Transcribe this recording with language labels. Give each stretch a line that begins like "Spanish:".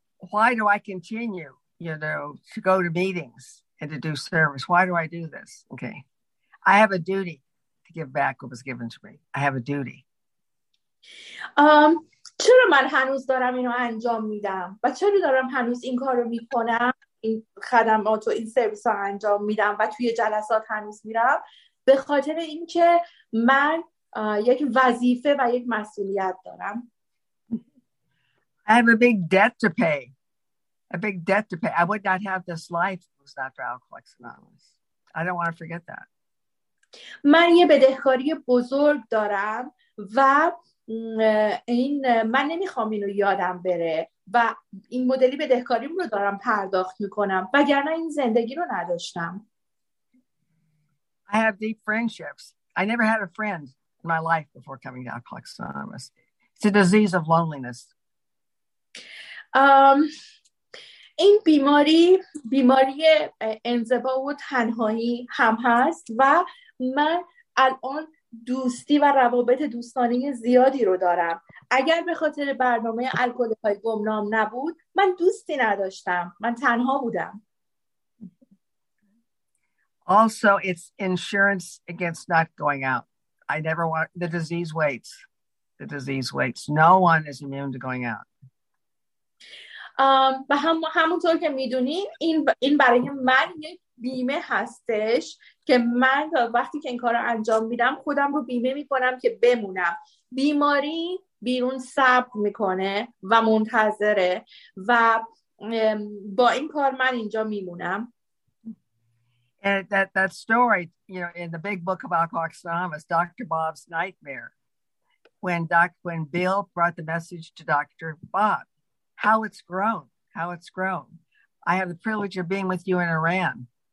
English: Why do I continue, you know, to go to meetings and to do service? Why do I do this? Okay. I have a duty to give back what was given to me. I have a duty.
Persian: چرا من هنوز دارم اینو انجام میدم و چرا دارم هنوز این کارو میکنم؟ این خدمات و این سرویس ها انجام میدم و توی جلسات هنوز میرم به خاطر اینکه من یک وظیفه و یک مسئولیت دارم.
English: I have a big debt to pay. A big debt to pay. I would not have this life if it was not for Alcoholics Anonymous. I don't want to forget that.
Persian: من یه بدهکاری بزرگ دارم و این من نمیخوام اینو یادم بره و این مدلی بدهکاریم رو دارم پرداخت میکنم، وگرنه این زندگی رو نداشتم.
English: I have deep friendships. I never had a friend in my life before coming to Alcoholics Anonymous. It's a disease of loneliness.
Persian: این بیماری انزبا و تنهایی هم هست و من الان دوستی و روابط دوستانه زیادی رو دارم. اگر به خاطر برنامه الکل‌های گمنام نبود، من دوستی نداشتم. من تنها بودم.
English: Also, it's insurance against not going out. I never want the disease waits. The disease waits. No one is immune to going out.
Persian: همونطور که میدونین این برای من یک بیمه هستش که من وقتی که این کار رو انجام میدم خودم رو بیمه میکنم که بمونم. بیماری بیرون صبر میکنه و منتظره و با این کار من اینجا میمونم.
English: And that story, you know, in the big book of Alcoholics Anonymous, Dr. Bob's nightmare, when Bill brought the message to Dr. Bob, how it's grown. I have the privilege of being with you in Iran.